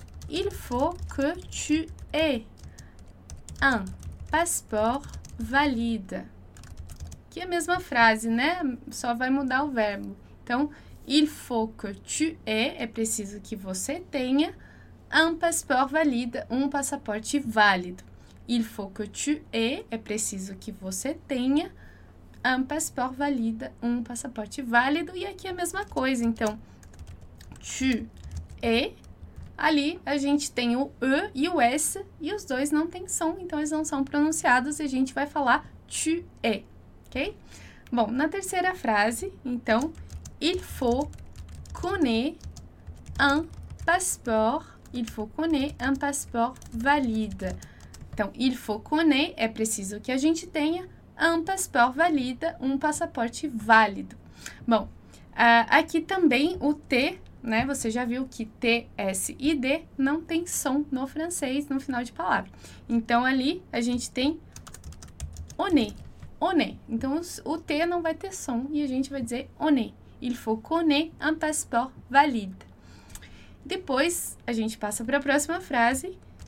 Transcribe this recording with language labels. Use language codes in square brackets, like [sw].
[fr] Il faut que tu aies un passeport valide. [pt] Que é a mesma frase, né? Só vai mudar o verbo. Então, [fr] il faut que tu aies, [pt] é preciso que você tenha [fr] un passeport valide, [pt] um passaporte válido. [fr] Il faut que tu aies, [pt] é preciso que você tenha [fr] un passeport valide, [pt] um passaporte válido. E aqui é a mesma coisa. Então, tu aies. Ali a gente tem o E e o S e os dois não têm som, então eles não são pronunciados e a gente vai falar tu é, ok? Bom, na terceira frase, então, [fr] il faut qu'on ait un passeport, il faut qu'on ait un passeport valide. [pt] Então, [fr] il faut qu'on ait [pt] é preciso que a gente tenha [fr] un passeport valide, [pt] um passaporte válido. Bom, aqui também o T. Né? Você já viu que T, S e D não tem som no francês no final de palavra. Então, ali a gente tem oné, oné. Então, o T não vai ter som e a gente vai dizer oné. [fr] Il faut qu'on ait un passeport valide. [pt] Depois, a gente passa para a próxima frase.